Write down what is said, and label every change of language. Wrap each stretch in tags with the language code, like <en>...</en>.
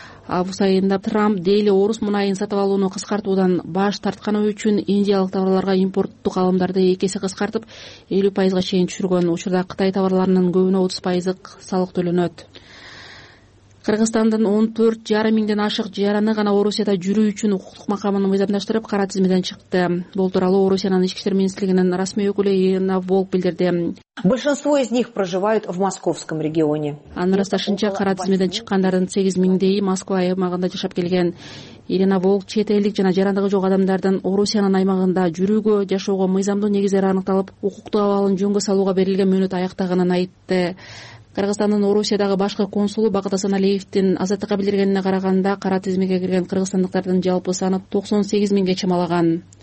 <ky>Август айында Трамп дейли орус мунайын сатып алууну кыскартуудан баш тартканы үчүн индиялык товарларга импорттук алымдарды 2 эсе кыскартып 50% чейин түшүргөн. Учурда Кытай товарларынын көбүнө 30% салык төлөнөт. Кыргызстандын 14,5 миңден ашык жараны гана Орусияда жүрүү үчүн укуктук макамын мыйзамдаштырып кара тизмеден чыкты. Бул тууралуу Орусиянын ички иштер министрлигинин расмий өкүлү Ирина Волк билдирди.</ky> <ru>Большинство из них проживают в Московском регионе.</ru> <ky>Анын расташынча кара тизмеден чыккандардын 8 миңдейи Москва аймагында жашап келген. Ирина Волк чет элдик жана жарандыгы жок адамдардын Орусиянын аймагында жүрүүгө, жашоого мыйзамдуу негиздер аныкталып, укуктук абалын жөнгө салууга берилген мөөнөт аяктагынын айтты. Кыргызстандын Орусиядагы башкы консулу Багыт Асаналиевдин азаттыкка билдиргенине караганда, кара тизмеге кирген кыргызстандыктардын жалпы саны 98 миңге чамалаган.</ky>